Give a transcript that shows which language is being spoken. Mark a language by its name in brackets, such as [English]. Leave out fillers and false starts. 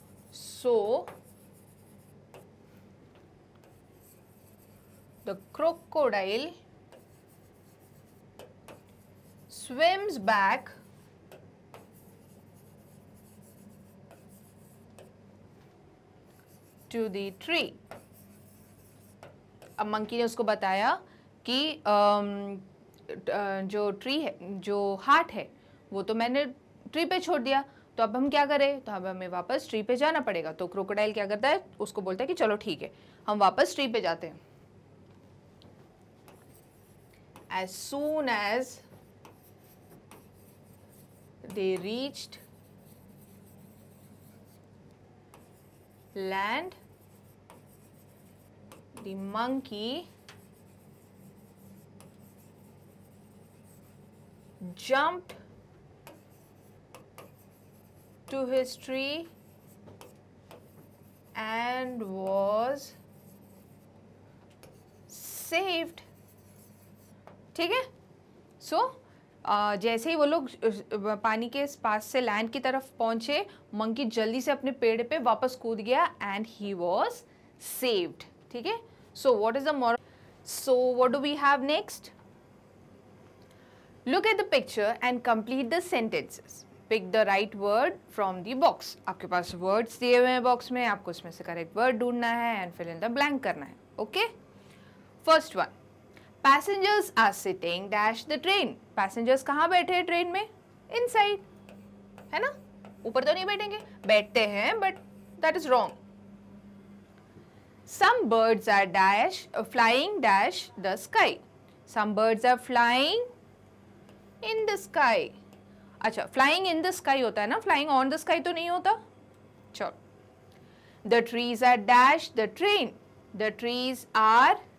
[English] So the crocodile swims back to the tree. [Hindi] अब monkey ने उसको बताया कि जो ट्री है, जो हार्ट है वो तो मैंने ट्री पे छोड़ दिया, तो अब हम क्या करें, तो अब हमें वापस ट्री पे जाना पड़ेगा. तो क्रोकोडाइल क्या करता है, उसको बोलता है कि चलो ठीक है हम वापस ट्री पे जाते हैं. [English] As soon as they reached land, the monkey jumped to his tree and was saved. [Hindi] ठीक है, सो जैसे ही वो लोग पानी के पास से लैंड की तरफ पहुंचे, मंकी जल्दी से अपने पेड़ पे वापस कूद गया [English] And he was saved. [Hindi] ठीक है, [English] So what is the moral, so what do we have next, look at the picture and complete the sentences, pick the right word from the box. [Hindi] आपके पास वर्ड्स दिए हुए हैं box में, आपको उसमें से करेक्ट वर्ड ढूंढना है and [English] fill in the blank [Hindi] करना है. [English] Okay, first one, passengers are sitting dash the train. [Hindi] passengers कहाँ बैठे हैं ट्रेन में, inside, है ना, ऊपर तो नहीं बैठेंगे, बैठते हैं [English] but that is wrong. some birds are dash flying dash the sky. some birds are flying in the sky. अच्छा, flying in the sky [Hindi] होता है ना, [English] flying on the sky [Hindi] तो नहीं होता. चल, [English] the trees are dash the train. the trees are